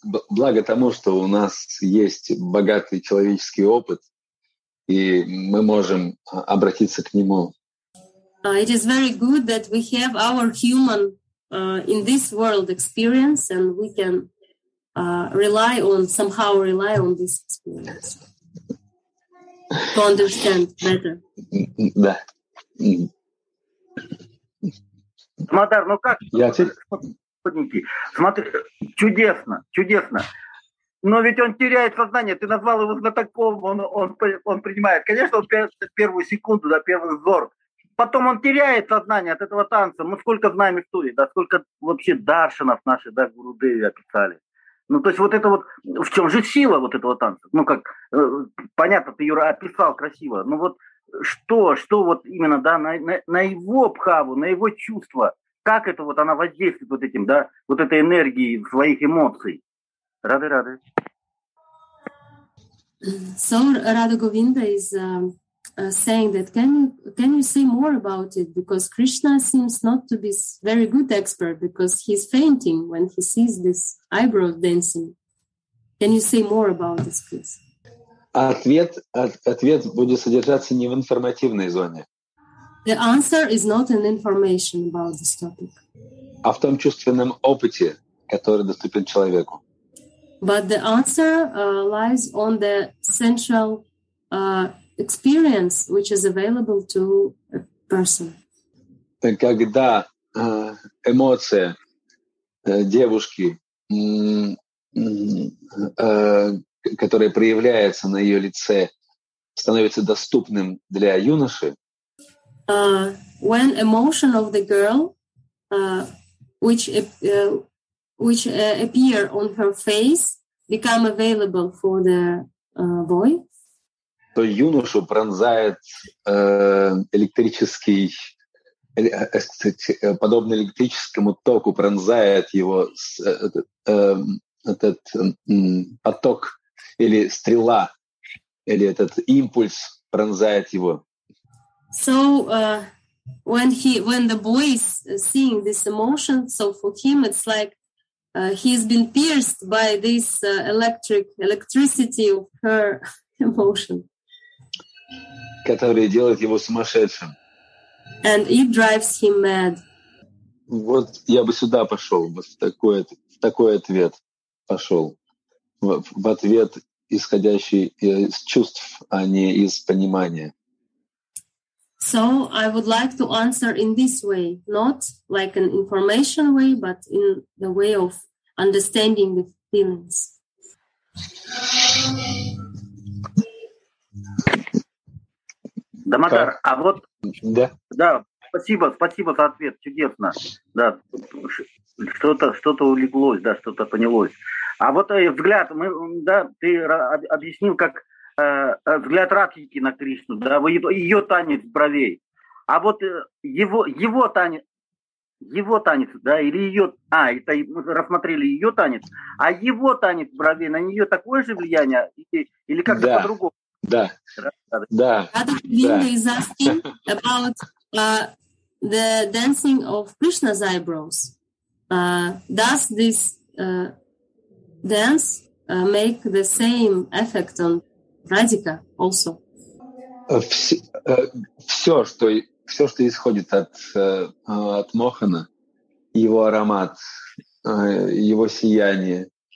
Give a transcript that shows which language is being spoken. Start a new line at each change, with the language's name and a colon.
Russian: Благо тому, что у нас есть богатый человеческий опыт, и мы можем обратиться к нему.
English: It is very good that we have our human in this world experience, and we can rely on this experience to understand better.
Russian: Да. Мадар, ну как? Подники. Смотри, чудесно. Но ведь он теряет сознание, ты назвал его знатоком, он принимает. Конечно, он первую секунду, да, первый взор. Потом он теряет сознание от этого танца. Мы сколько знаем истории, да, сколько вообще даршинов наши, да, гурудеви описали. Ну, то есть вот это вот, в чем же сила вот этого танца? Ну, как, понятно, ты, Юра, описал красиво. Но вот что вот именно, да, на его бхаву, на его чувства, как это вот она воздействует вот этим, да, вот этой энергией своих эмоций? Рады.
English: So, Radha Govinda saying that, can you say more about it? Because Krishna seems not to be very good expert, because he's fainting when he sees this eyebrow dancing. Can you say more about this, please?
Russian: Ответ будет содержаться не в информативной зоне.
English: The answer is not in information about this topic.
Russian: А в том чувственном опыте, который доступен человеку.
English: But the answer lies on the sensual experience, which is available to a person.
Russian: Когда эмоция девушки, которая проявляется на ее лице, становится доступным для юноши.
English: When emotion of the girl, which appear on her face, become available for the boy.
Russian: То юношу пронзает подобно электрическому току, пронзает его этот поток или стрела, или этот импульс пронзает его.
English: So when the boy is seeing this emotion, so for him it's like he has been pierced by this electricity of her emotion,
Russian: которые делают его сумасшедшим.
English: And it drives him mad.
Russian: Вот я бы сюда пошел, вот в такой ответ пошел. В ответ, исходящий из чувств, а не из понимания.
English: So I would like to answer in this way, not like an information way, but in the way of understanding the feelings.
Russian: Дамодар, а вот... Да. Да, спасибо, спасибо за ответ, чудесно. Да, что-то улеглось, да, что-то понялось. А вот взгляд, мы, да, ты объяснил, как взгляд Радхики на Кришну, да, ее танец бровей. А вот его танец, да, или ее, это мы рассмотрели ее танец, а его танец бровей, на нее такое же влияние или как-то да. по-другому? Да. Да.
English: Radharani is asking about the dancing of Krishna's eyebrows. Does this dance make the same effect on Radhika also?
Russian: Все, что исходит от Мохана, его аромат, его сияние.